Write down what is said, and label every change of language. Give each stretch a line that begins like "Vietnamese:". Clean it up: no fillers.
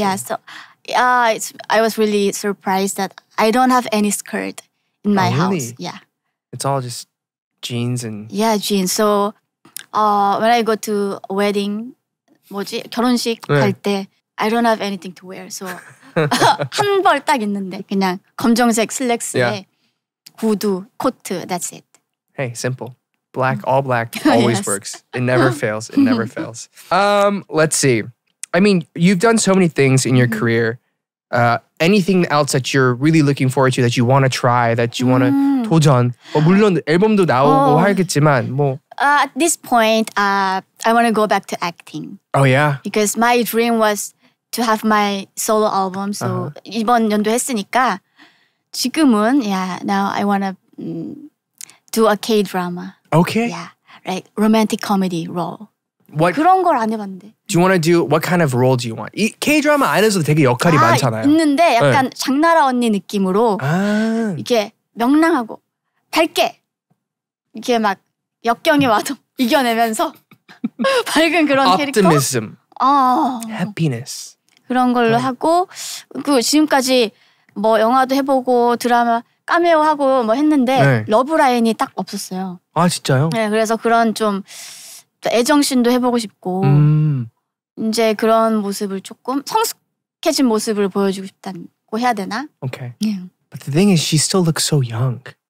English: Yeah, so I was really surprised that I don't have any skirt in my oh, really? House. Yeah. It's all just… Jeans and… Yeah, jeans. So, when I go to a wedding,
Korean: 뭐지? 결혼식 네. 갈 때,
English: I don't have anything to wear.
Korean: So, 한 벌 딱 있는데, 그냥 검정색 슬랙스에
English: yeah.
Korean: 구두, 코트,
English: that's it. Hey, simple. Black, all black, always yes. works. It never fails. It never fails. Let's see. I mean, you've done so many things in your career. Anything else that you're really looking forward to that you want to try, that you want to 도전?
Korean: 물론 앨범도 나오고 하겠지만 뭐.
English: At this point, I want to go back to acting. Oh yeah? Because my dream was to have my solo album. So uh-huh.
Korean: 이번 연도 했으니까 지금은
English: yeah, now I want to do a K-drama. Okay. Yeah, like romantic comedy role. What,
Korean: 그런 걸 안 해봤는데.
English: Do you want to do… What kind of role do you want?
Korean: K-drama 안에서도 되게 역할이 아, 많잖아요. 있는데 약간 네. 장나라 언니 느낌으로 아. 이게 명랑하고 밝게 이게 막 역경이 와도 이겨내면서 밝은 그런
English: Optimism.
Korean: 캐릭터.
English: Optimism. Happiness.
Korean: 그런 걸로 네. 하고 그 지금까지 뭐 영화도 해보고 드라마 카메오 하고 뭐 했는데 네. 러브라인이 딱 없었어요. 아 진짜요? 네 그래서 그런 좀… 애정신도 해보고 싶고 이제 그런 모습을 조금 성숙해진 모습을 보여주고 싶다고 해야 되나?
English: Okay. Yeah. But the thing is, she still looks so young.